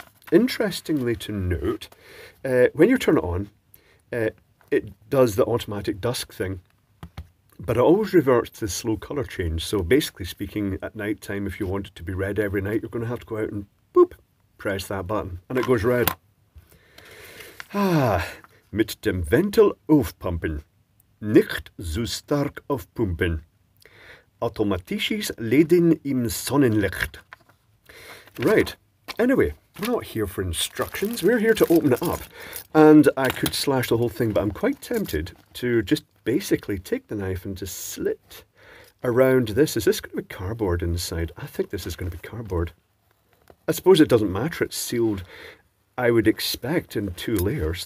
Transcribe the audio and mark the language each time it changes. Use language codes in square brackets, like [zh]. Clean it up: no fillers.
[en] Interestingly to note, when you turn it on, it does the automatic dusk thing, but it always reverts to the slow colour change. So basically speaking, at night time, if you want it to be red every night, you're going to have to go out and boop, press that button, and it goes red. [de] Ah, mit dem Ventil aufpumpen, nicht so stark aufpumpen, automatisches Laden im Sonnenlicht. [en] Right, anyway, we're not here for instructions, we're here to open it up. And I could slash the whole thing, but I'm quite tempted to just basically take the knife and just slit around this. Is this going to be cardboard inside? I think this is going to be cardboard. I suppose it doesn't matter, it's sealed, I would expect, in two layers.